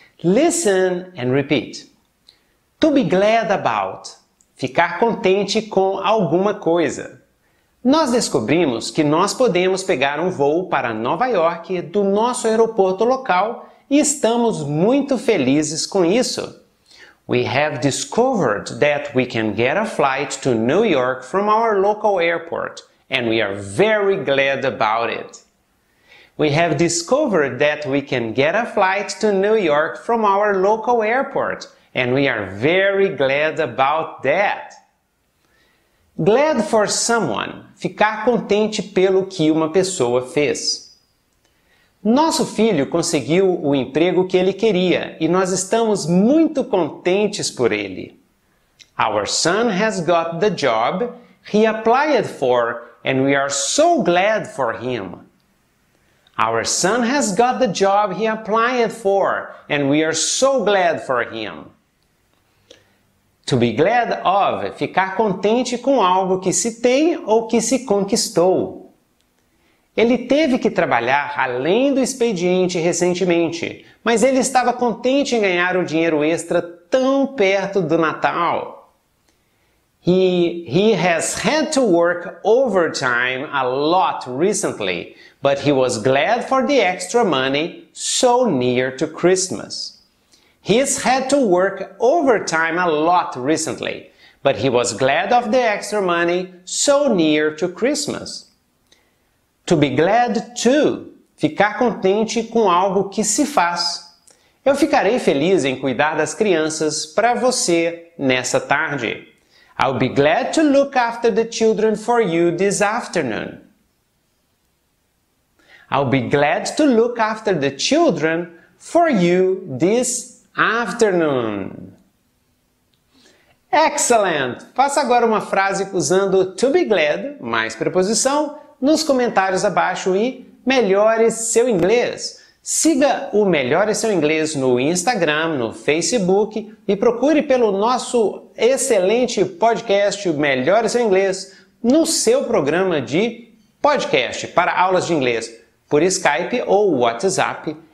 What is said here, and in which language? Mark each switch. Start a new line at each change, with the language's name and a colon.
English: Listen and repeat. To be glad about.
Portuguese: Ficar contente com alguma coisa. Nós descobrimos que nós podemos pegar um voo para Nova York do nosso aeroporto local e estamos muito felizes com isso.
English: We have discovered that we can get a flight to New York from our local airport and we are very glad about it. We have discovered that we can get a flight to New York from our local airport. And we are very glad about that. Glad for someone.
Portuguese: Ficar contente pelo que uma pessoa fez. Nosso filho conseguiu o emprego que ele queria e nós estamos muito contentes por ele.
English: Our son has got the job he applied for and we are so glad for him. Our son has got the job he applied for and we are so glad for him. To be glad of,
Portuguese: ficar contente com algo que se tem ou que se conquistou. Ele teve que trabalhar além do expediente recentemente, mas ele estava contente em ganhar um dinheiro extra tão perto do Natal.
English: He has had to work overtime a lot recently, but he was glad for the extra money so near to Christmas. He's had to work overtime a lot recently, but he was glad of the extra money so near to Christmas. To be glad to,
Portuguese: ficar contente com algo que se faz. Eu ficarei feliz em cuidar das crianças para você nessa tarde.
English: I'll be glad to look after the children for you this afternoon. I'll be glad to look after the children for you this afternoon. Excellent!
Portuguese: Faça agora uma frase usando to be glad, mais preposição, nos comentários abaixo e melhore seu inglês. Siga o Melhore Seu Inglês no Instagram, no Facebook e procure pelo nosso excelente podcast Melhore Seu Inglês no seu programa de podcast para aulas de inglês por Skype ou WhatsApp.